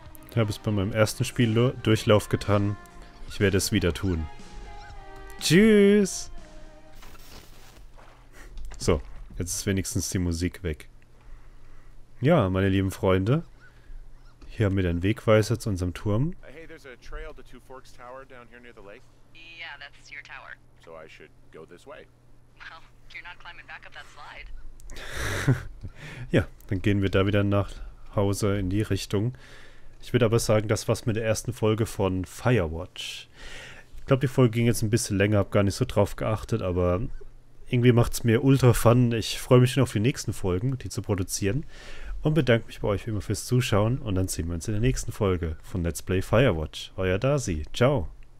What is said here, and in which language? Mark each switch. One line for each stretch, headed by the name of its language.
German: Ich habe es bei meinem ersten Spiel Durchlauf getan. Ich werde es wieder tun. Tschüss! So, jetzt ist wenigstens die Musik weg. Ja, meine lieben Freunde, hier haben wir den Wegweiser zu unserem Turm.
English: A trail to Two Forks Tower down here near the lake? Yeah, that's your tower. So I should go this way. Well, you're not climbing back up that slide.
German: Ja, dann gehen wir da wieder nach Hause in die Richtung. Ich würde aber sagen, das war's mit der ersten Folge von Firewatch. glaube, die Folge ging jetzt ein bisschen länger, habe gar nicht so drauf geachtet, aber irgendwie macht es mir ultra Fun. Ich freue mich schon auf die nächsten Folgen, die zu produzieren. Und bedanke mich bei euch wie immer fürs Zuschauen. Und dann sehen wir uns in der nächsten Folge von Let's Play Firewatch. Euer Dasi. Ciao.